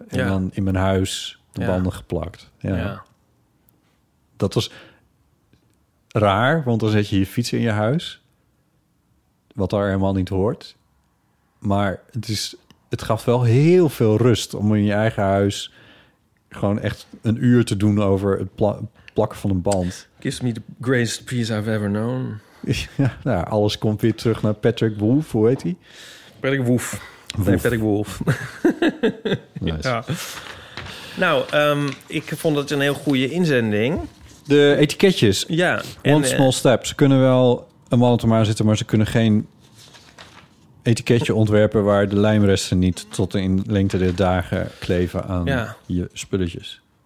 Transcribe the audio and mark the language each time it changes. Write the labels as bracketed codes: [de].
[nl] En dan in mijn huis de banden geplakt. Ja. Dat was raar, want dan zet je je fiets in je huis. Wat daar helemaal niet hoort. Maar het is... Het gaf wel heel veel rust om in je eigen huis gewoon echt een uur te doen over het plakken van een band. [en] Gives me the greatest piece I've ever known. [nl] Ja, nou, alles komt weer terug naar Patrick Wolf, hoe heet hij? Patrick Wolf. Nee, Patrick Wolf. Nice. Ja. Nou, ik vond het een heel goede inzending. De etiketjes. Ja. [en] One small step. [nl] Ze kunnen wel een man op de maan zitten, maar ze kunnen geen... etiketje ontwerpen waar de lijmresten niet tot in lengte der dagen kleven aan je spulletjes.